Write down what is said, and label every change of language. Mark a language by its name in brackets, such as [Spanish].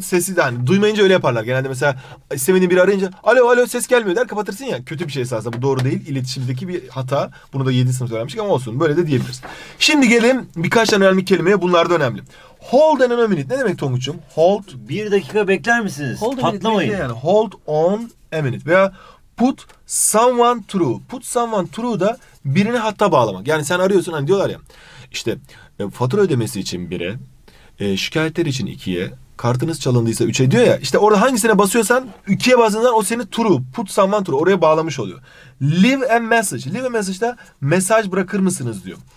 [Turkish] Sesi de hani duymayınca öyle yaparlar. Genelde mesela istemediğin biri arayınca alo alo ses gelmiyor der kapatırsın ya. Kötü bir şey esasında. Bu doğru değil. İletişimdeki bir hata. Bunu da 7. sınıfta öğrenmiştik ama olsun. Böyle de diyebiliriz. Şimdi gelelim birkaç tane önemli kelimeye. Bunlar da önemli. [English] Hold on a minute. [Turkish] Ne demek Tonguç'um? Hold. Bir dakika bekler misiniz? Hold patlamayın. [English] Minute, yani. Hold on a minute. Veya put someone through. [Turkish] Put someone through da birini hatta bağlamak. Yani sen arıyorsun hani diyorlar ya. İşte fatura ödemesi için 1'e, şikayetler için 2'ye, kartınız çalındıysa 3'e diyor ya. İşte orada hangisine basıyorsan 2'ye basınlar o seni through. Put someone through. Oraya bağlamış oluyor. [English] Leave a message. [Turkish] Leave a message da mesaj bırakır mısınız diyor.